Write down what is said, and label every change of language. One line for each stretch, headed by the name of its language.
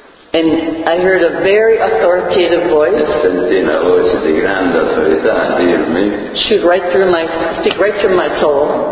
English: And I heard a very authoritative voice.
Italian: Sentì una voce di grande autorità dirmi.
English: Speak right through my soul.